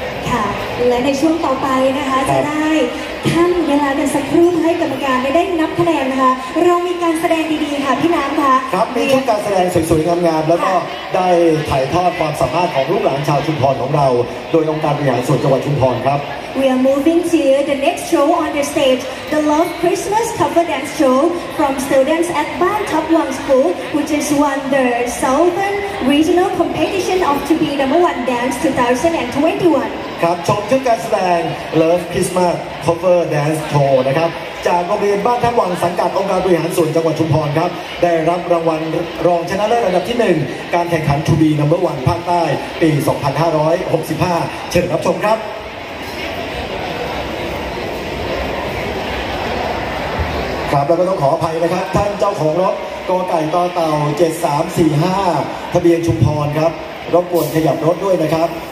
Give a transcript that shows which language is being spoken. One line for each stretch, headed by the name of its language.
Thai: ค่ะและในช่วงต่อไปนะคะจะได้ท่านเวลากันสักครู่ให้กรรมการได้นับคะแนนนะคะเรามีการแสดงดีๆค่ะพี่น้ำค่ะ ครับมีชุดการแสดงสวยๆงามๆแล้วก็ได้ถ่ายทอดความสามารถของลูกหลานชาวชุมพรของเราโดยองค์การบริหารส่วนจังหวัดชุมพรครับ
English: We are moving to the next show on the stage the Love Christmas Cover Dance Show from students at Ban Thap Luang School which is won the Southern Regional Competition of to be number one dance 2021
Thai: ครับชมชุดการแสดง Love Christmas Cover Dance Show นะครับจากโรงเรียนบ้านท่าวังสังกัดองค์การบริหารส่วนจังหวัดชุมพรครับได้รับรางวัลรองชนะเลิศระดับที่1การแข่งขัน To Be Number 1ภาคใต้ปี2565เชิญรับชมครับครับแล้วก็ต้องขออภัยนะครับท่านเจ้าของรถกอไก่ต่อเต่า7345ทะเบียนชุมพรครับรบกวนขยับรถด้วยนะครับ